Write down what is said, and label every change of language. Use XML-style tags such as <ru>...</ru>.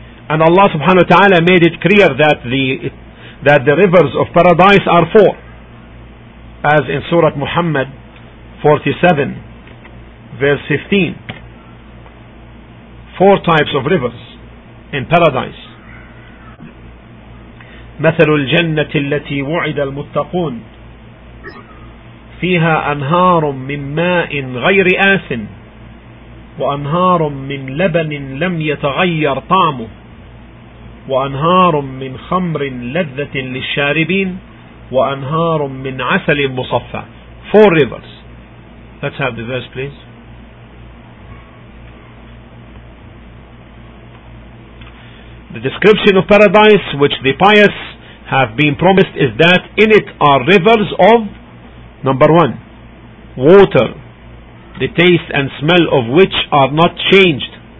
<en>And Allah subhanahu wa ta'ala made it clear that the rivers of paradise are four, as in Surah Muhammad 47 verse 15. Four types of rivers in paradise.</en> <ar>مثل الجنة التي وعد المتقون فيها أنهار من ماء غير آس وأنهار من لبن لم يتغير طعمه وأنهار من خمر لذة للشاربين وأنهار من عسل مصفى.</ar> <en>Four rivers. Let's have the verse, please. The description of paradise which the pious have been promised is that in it are rivers of, number one, water, the taste and smell of which are not changed.</en>